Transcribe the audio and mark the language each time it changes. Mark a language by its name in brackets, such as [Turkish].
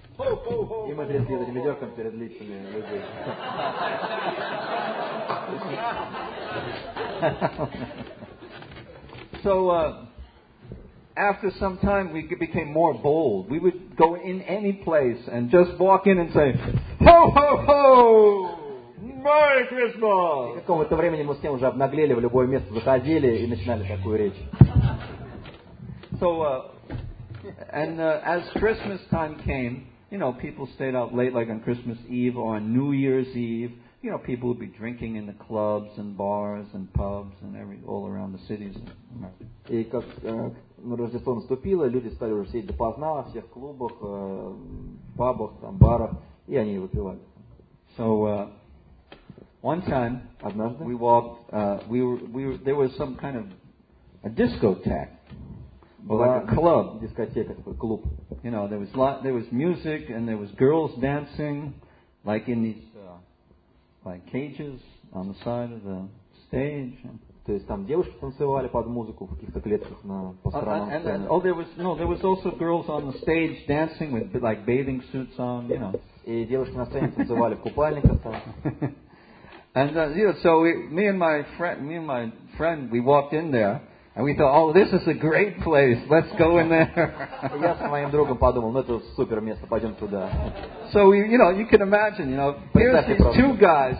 [English] Ho, ho, ho, ho! After some time, we became more bold. We would go in any place and just walk in and say, ho, ho, ho! Merry Christmas! [Russian] И в какое-то время мы с тем уже обнаглели, в любое место заходили и начинали такую речь. [English] So, as Christmas time came, you know, people stayed out late, like on Christmas Eve or on New Year's Eve. You know, people would be drinking in the clubs and bars and pubs and all around the cities. [Russian] И как Рождество наступило, люди стали уже сидеть допоздна во всех клубах, пабах, там барах, и они выпивали. [English] So one time, [Russian] однажды, [English] we walked. There was some kind of a discotheque. [Russian] Была [English] like a club, [Russian] дискотека, клуб. [English] You know, there was music and there was girls dancing, like in these. Like cages on the side of the stage. [Russian] То есть там девушки танцевали под музыку в каких-то клетках на по сторонам сцены. [English] There was also girls on the stage dancing with like bathing suits on, you know. [Russian] И девушки на сцене танцевали в купальниках. [English] And me and my friend, we walked in there and we thought, oh, this is a great place. Let's go in there. [Russian] Я с моим другом подумал, ну это супер место, пойдем туда. [English] So you can imagine, you know, here's these two guys.